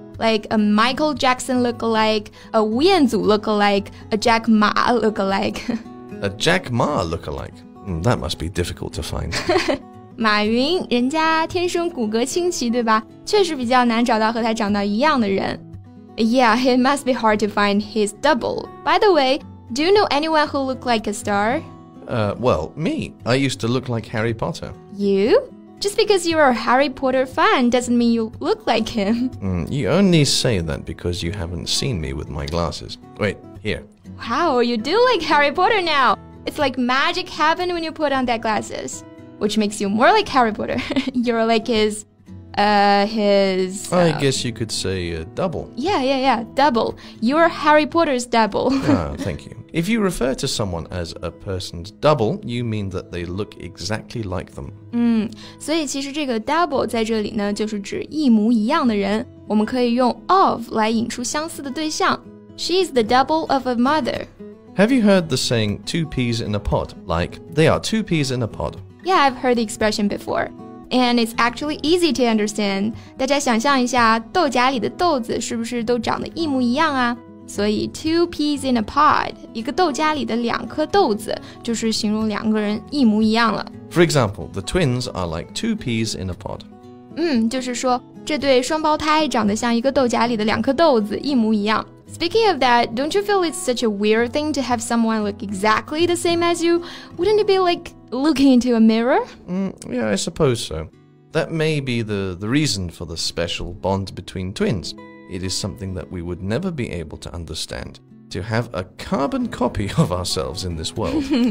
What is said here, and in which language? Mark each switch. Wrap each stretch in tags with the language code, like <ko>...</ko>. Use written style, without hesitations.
<en>Like a Michael Jackson look-alike, a 吴彦祖 look-alike, a Jack Ma look-alike. A Jack Ma look-alike? That must be difficult to find.</en> <zh>马云，人家天生骨骼清奇，对吧？确实比较难找到和他长得一样的人。</zh> <en>Yeah, it must be hard to find his double. By the way, do you know anyone who looked like a star? Well, me. I used to look like Harry Potter. You? Just because you're a Harry Potter fan doesn't mean you look like him. You only say that because you haven't seen me with my glasses. Wait, here. Wow, you do like Harry Potter now. It's like magic happen when you put on that glasses, which makes you more like Harry Potter. You're like his... I guess you could say a double. Yeah, double. You're Harry Potter's double. thank you. If you refer to someone as a person's double, you mean that they look exactly like them.</en> <zh>所以其实这个 double 在这里呢，就是指一模一样的人。我们可以用 of 来引出相似的对象。</zh> <en>She's the double of a mother. Have you heard the saying, two peas in a pod? Like, they are two peas in a pod. Yeah, I've heard the expression before. and it's actually easy to understand.</en> <zh>大家想象一下，豆荚里的豆子是不是都长得一模一样啊？所以</zh> <en>two peas in a pod,</en> <zh>一个豆荚里的两颗豆子就是形容两个人一模一样了。</zh> <en>For example, the twins are like two peas in a pod.</en> <zh>就是说这对双胞胎长得像一个豆荚里的两颗豆子一模一样。</zh> <en>Speaking of that, don't you feel it's such a weird thing to have someone look exactly the same as you? Wouldn't it be like looking into a mirror? Yeah, I suppose so. That may be the reason for the special bond between twins. It is something that we would never be able to understand. To have a carbon copy of ourselves in this world.</en>